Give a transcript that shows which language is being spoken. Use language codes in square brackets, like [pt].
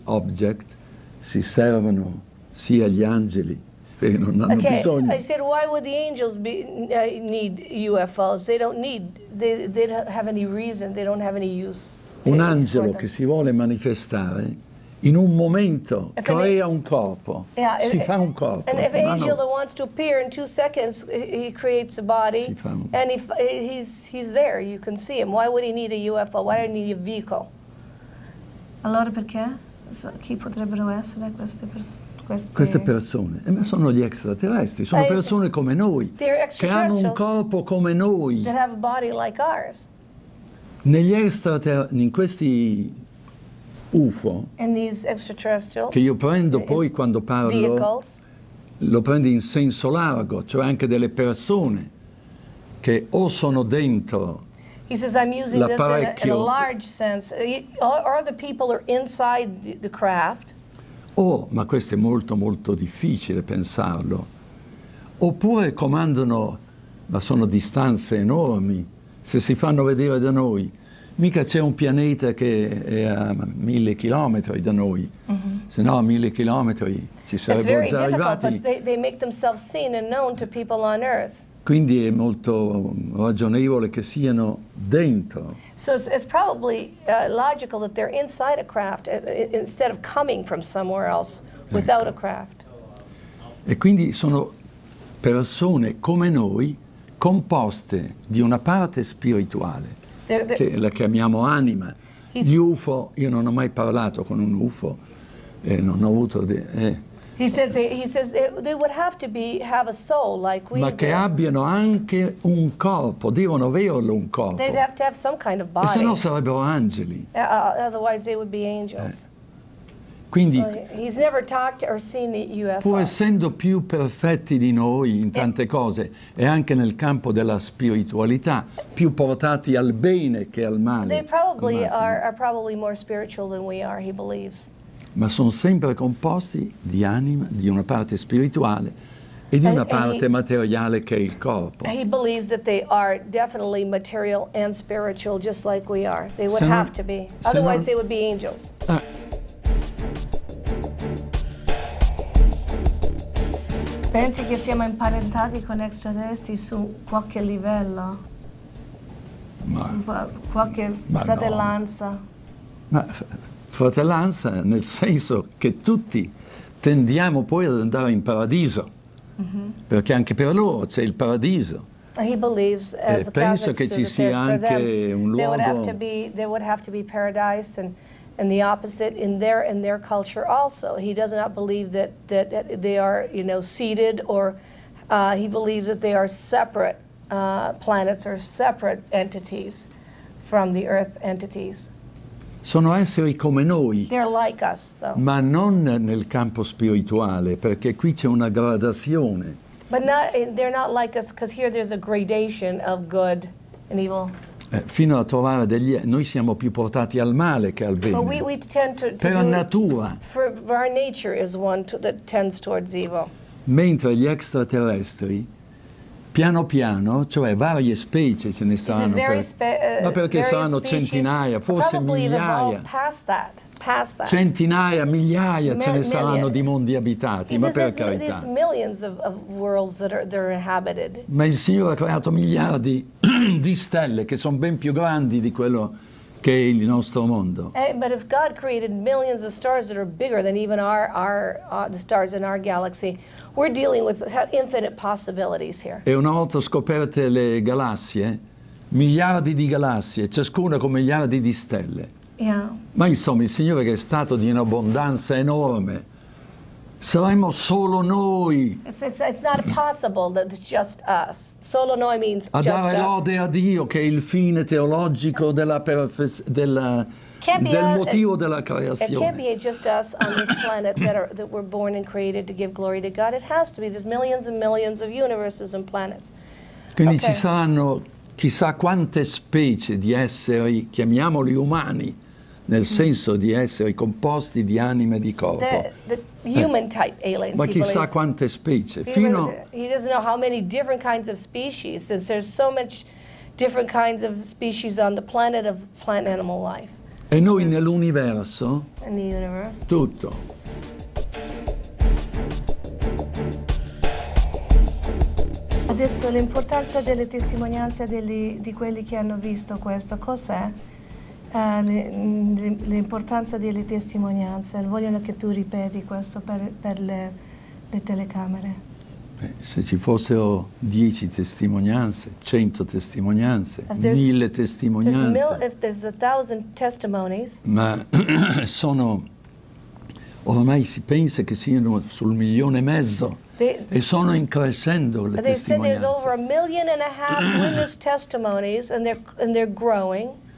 [it] object, si servono sia gli angeli che non hanno bisogno. [en] I said, why would the angels need UFOs? They don't need, they don't have any reason, they don't have any use. [it] Un angelo che si vuole manifestare in un momento crea un corpo, si fa un corpo. [en] And if an angel wants to appear in 2 seconds, he creates a body, and he's there, you can see him. Why would he need a UFO? Why would he need a vehicle? [it] Allora perché? Chi potrebbero essere queste persone? Queste persone, ma sono gli extraterrestri, sono persone come noi, che hanno un corpo come noi. [en] That have a body like ours. [it] Negli extraterrestri, in questi UFO, [en] and these extraterrestrial [it] che io prendo poi quando parlo [en] vehicles, [it] lo prendo in senso largo, cioè anche delle persone che o sono dentro. [en] He says I'm using this in a large sense. Are the people are inside the craft? [it] Oh, ma questo è molto molto difficile pensarlo. Oppure comandano, ma sono distanze enormi. Se si fanno vedere da noi. Mica c'è un pianeta che è a 1,000 chilometers da noi, se no a 1,000 chilometers ci sarebbero già arrivati. [en] They make themselves seen and known to people on Earth. [it] Quindi è molto ragionevole che siano dentro. [en] So it's probably logical that they're inside a craft instead of coming from somewhere else without a craft. [it] E quindi sono persone come noi, composte di una parte spirituale. Che la chiamiamo anima. Gli UFO, io non ho mai parlato con un UFO, non ho avuto [en] He says they would have to be have a soul like we [it] Ma [en] do. [it] Che abbiano anche un corpo, devono averlo un corpo. [en] They'd have to have some kind of body. [it] E sennò sarebbero angeli. [en] Otherwise they would be angels. [it] Quindi, [en] so he's never talked or seen the UFO. [it] Pur essendo più perfetti di noi in tante cose, e anche nel campo della spiritualità, più portati al bene che al male. [en] They probably are probably more spiritual than we are, he believes. [it] Ma sono sempre composti di anima, di una parte spirituale e di una parte materiale che è il corpo. [en] He believes that they are definitely material and spiritual, just like we are. They would have to be. Otherwise they would be angels. [it] Pensi che siamo imparentati con extraterrestri su qualche livello? Ma, qualche ma fratellanza? No. Ma fratellanza nel senso che tutti tendiamo poi ad andare in paradiso, mm-hmm. perché anche per loro c'è il paradiso. [en] He believes, as [it] e penso che ci sia anche un luogo... [en] There would have to be paradise and the opposite in their culture also. He does not believe that they are, you know, seated or he believes that they are separate planets or separate entities from the Earth entities. [it] Sono esseri come noi. [en] They're like us, though. [it] Ma non nel campo spirituale, perché qui c'è una gradazione. [en] But they're not like us, because here there's a gradation of good and evil. [it] Fino a trovare degli... Noi siamo più portati al male che al bene. [en] But we tend to [it] per natura. [en] Our nature is one that tends towards evil. [it] Mentre gli extraterrestri, piano piano, cioè varie specie ce ne saranno. Ma perché saranno centinaia, forse migliaia. [en] Past that. [it] Centinaia, migliaia ce ne saranno di mondi abitati. Ma per carità. [en] These millions of worlds that are inhabited. [it] Ma il Signore ha creato miliardi di stelle che sono ben più grandi di quello che è il nostro mondo. [en] But if God created millions of stars that are bigger than even the stars in our galaxy, we're dealing with infinite possibilities here. [it] E una volta scoperte le galassie, miliardi di galassie, ciascuna con miliardi di stelle. [en] Yeah. [it] Ma insomma, il Signore che è stato di un'abbondanza enorme, saremmo solo noi. [en] It's not possible that it's just us. [it] Solo noi [en] means just us. [it] A dare lode a Dio, che è il fine teologico del motivo della creazione. [en] It can't be just us on this planet that we're born and created to give glory to God. It has to be. There's millions and millions of universes and planets. [it] Quindi ci saranno chissà quante specie di esseri, chiamiamoli umani, nel senso di essere composti di anime e di corpo. [en] The human type aliens. [it] Ma chissà quante specie. [en] He doesn't know how many different kinds of species, since there's so much different kinds of species on the planet of plant and animal life. [it] E noi nell'universo. [en] In the universe. [it] Tutto. Ha detto l'importanza delle testimonianze di quelli che hanno visto questo. Cos'è? L'importanza delle testimonianze, vogliono che tu ripeti questo per le telecamere. Beh, se ci fossero 10 testimonianze, 100 testimonianze, 1000 testimonianze. [en] If there's 1000 testimonies. [it] Ma sono, ormai si pensa che siano sul 1,5 milioni. E sono in crescendo le testimonianze. [en] They said there's over 1.5 million witness testimonies and they're growing.